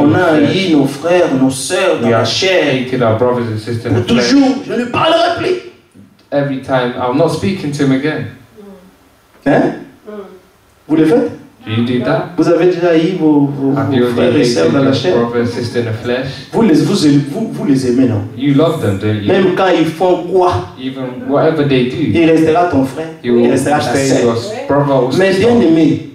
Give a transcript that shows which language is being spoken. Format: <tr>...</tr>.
<fr>On a haï nos frères, nos sœurs dans la chair.</fr> <en>We hated our brothers and sisters.</en> <fr>Pour toujours, je ne parlerai plus.</fr> <en>Every time, I'm not speaking to him again.</en> <fr>Hein? Vous le faites?</fr> <en>Do you do that?</en> <fr>Vous avez déjà haï vos frères et sœurs dans la chair?</fr> <en>Flesh?</en> <fr>Vous les aimez, non?</fr> <en>You love them, don't you?</en> <fr>Même quand ils font quoi?</fr> <en>Even whatever they do.</en> <fr>Il restera ton frère. Il restera ta sœur. Mais bien aimé.</fr>